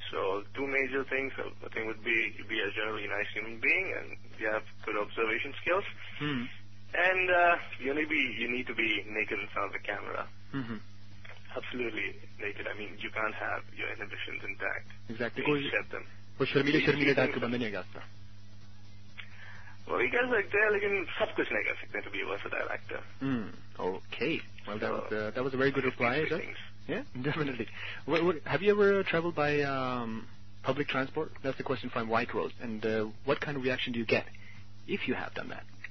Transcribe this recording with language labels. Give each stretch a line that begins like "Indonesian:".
English: So two major things, I think, would be you be a generally nice human being, and you have good observation skills. Hmm. And you need to be naked in front of the camera. Mm-hmm. Absolutely naked. I mean, you can't have your inhibitions intact. Exactly. You need to accept them.
Hindi: शर्मीले type के बंदा नहीं आ सकता.
English: Well, you can act there, but you can't do anything. You can't be a versatile actor. Hmm. Okay. Well, that was a very good reply. Yeah. Definitely. Have you ever traveled by public transport? That's the question from White Rose. And what kind of reaction do you get if you have done that?